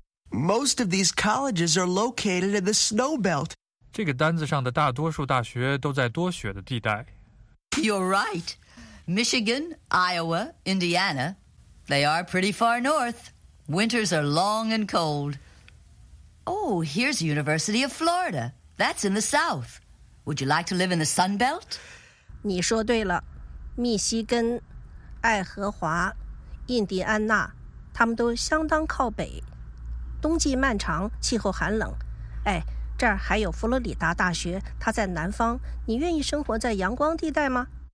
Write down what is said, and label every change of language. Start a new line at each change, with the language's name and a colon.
English: Most of these colleges are located in the snow belt.
Chinese: 这个单子上的大多数大学都在多雪的地带。
English: You're right. Michigan, Iowa, Indiana, they are pretty far north. Winters are long and cold. Oh, here's University of Florida. That's in the south. Would you like to live in the sun belt?
Chinese: 你说对了，密西根。爱荷华、印第安纳，他们都相当靠北，冬季漫长，气候寒冷。哎，这儿还有佛罗里达大学，它在南方。你愿意生活在阳光地带吗